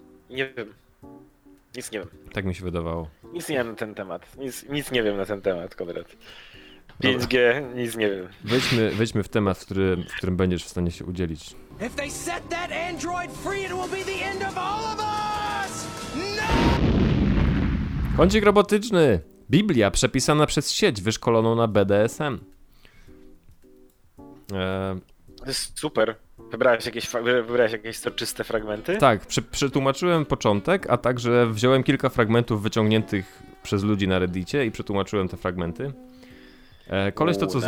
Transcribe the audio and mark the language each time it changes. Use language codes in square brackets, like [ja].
[pl] Nie wiem. Nic nie wiem. Tak mi się wydawało. Nic nie wiem na ten temat. Nic nie wiem na ten temat, Konrad. 5G, dobra. Nic nie wiem. Wejdźmy w temat, w którym będziesz w stanie się udzielić. [en] If they set that android free, it will be the end of all of us! [pl] No! Kącik robotyczny. Biblia przepisana przez sieć wyszkoloną na BDSM. To jest super. Wybrałeś jakieś soczyste fragmenty? Tak, przetłumaczyłem początek, a także wziąłem kilka fragmentów wyciągniętych przez ludzi na Reddicie i przetłumaczyłem te fragmenty. Koleś to co nice.